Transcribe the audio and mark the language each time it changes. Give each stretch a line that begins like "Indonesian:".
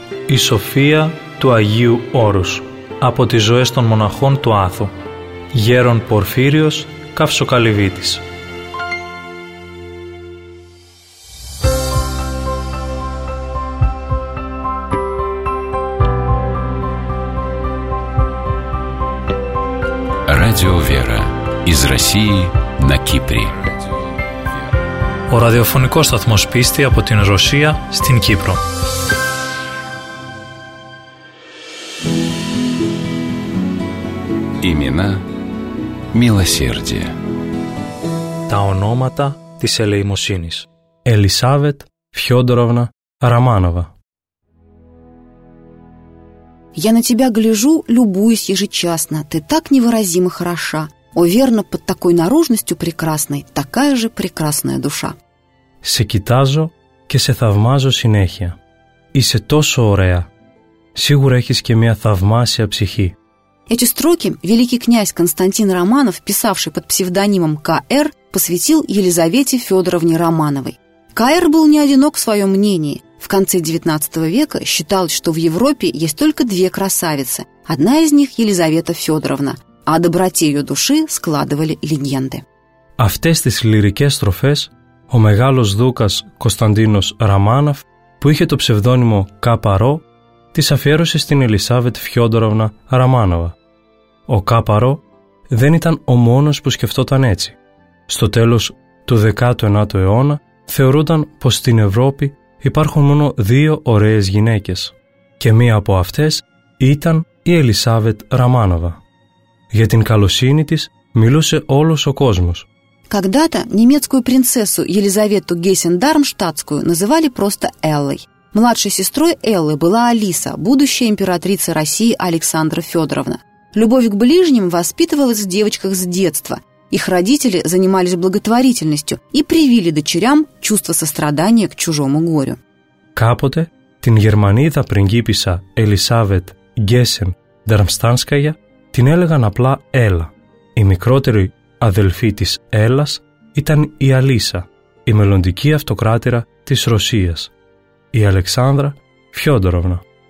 Greek: Η Σοφία του Αγίου Όρους από τις ζωές των μοναχών του Άθου. Γέρον Πορφύριος Καυσοκαλυβίτης.
Russian: Радио Вера из России на Кипре.
Greek: Ο ραδιοφωνικός σταθμός πίστη από την Ρωσία στην Κύπρο. Ειλικρινά, Милосердие. Τα ονόματα της ελεημοσύνης. Ελισάβετ Φιόντοροβνα Романова.
Russian: Я на тебя гляжу, любуюсь ежечасно. Ты так невыразимо хороша. О, верно, под такой наружностью прекрасной такая же прекрасная душа.
Greek: Σε κοιτάζω και σε θαυμάζω συνέχεια. Είσαι τόσο ωραία. Σίγουρα έχεις και μια θαυμάσια ψυχή.
Russian: Эти строки великий князь Константин Романов, писавший под псевдонимом К.Р., посвятил Елизавете Федоровне Романовой. К.Р. был не одинок в своем мнении. В конце XIX века считалось, что в Европе есть только две красавицы. Одна из них – Елизавета Федоровна. А о доброте ее души складывали легенды.
Greek: Αυτές τις λυρικές στροφές ο μεγάλος δούκας Κωνσταντίνος Ραμάνοφ, που είχε το ψευδόνυμο Κάπαρο, τις αφιέρωσε στην Ελισάβετ Φιόντοροβνα Ραμάνοβα. Ο Κάπαρο δεν ήταν ο μόνος που σκεφτόταν έτσι. Στο τέλος του 19ου αιώνα θεωρούνταν πως στην Ευρώπη υπάρχουν μόνο δύο ωραίες γυναίκες και μία από αυτές ήταν η Ελισάβετ Ραμάνοβα. Για την καλοσύνη της μιλούσε όλος ο κόσμος.
Russian: Когда-то немецкую принцессу Елизавету Гессен-Дармштадтскую называли просто Эллой. Младшей сестрой Эллы была Алиса, будущая императрица России Александра Федоровна. Любовь к ближним воспитывалась в девочках с детства. Их родители занимались благотворительностью и привили дочерям чувство сострадания к чужому горю.
Greek: Капоте την германίδα πριγκίπισσα Ελισάβετ Гессен-Дармштадтская την έλεγαν απλά Έλλα. Η μικρότερη αδελφή της Έλλας ήταν η Αλίσα, η μελλοντική αυτοκράτηρα της Ρωσίας, η Αλεξάνδρα Φιόντοροβνα.